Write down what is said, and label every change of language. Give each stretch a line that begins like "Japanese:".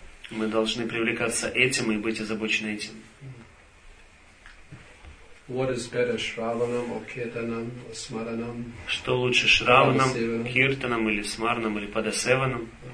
Russian: Мы должны привлекаться этим и быть озабочены этим.
English: What is better, Shravanam or Kirtanam or Smaranam?
Russian: Что лучше, Шраванам, Киртанам или Смаранам или Падасеванам?